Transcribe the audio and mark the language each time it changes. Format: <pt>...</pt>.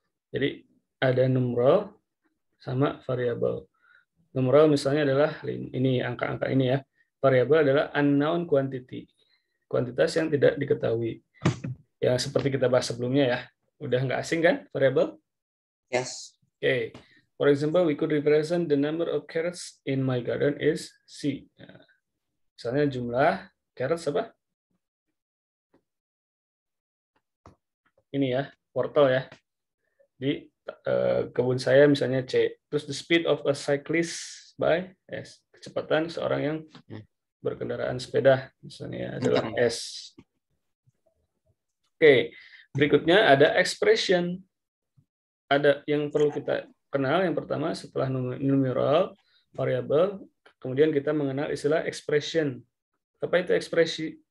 <id>Jadi ada numeral sama variabel. Numeral misalnya adalah ini angka-angka ini ya. Variabel adalah unknown quantity. Kuantitas yang tidak diketahui. Ya seperti kita bahas sebelumnya ya. Udah nggak asing kan variabel?</id> <en>Yes. Okay. For example, we could represent the number of carrots in my garden is C.</en> <id>Misalnya jumlah carrots apa? Ini ya, wortel ya. Di kebun saya misalnya C.</id> <en>Terus the speed of a cyclist by S.</en> <id>Kecepatan seorang yang berkendaraan sepeda misalnya adalah S. Oke, berikutnya ada expression. Ada yang perlu kita kenal. Yang pertama setelah numeral, variable, kemudian kita mengenal istilah expression. Apa itu ekspresi?</id>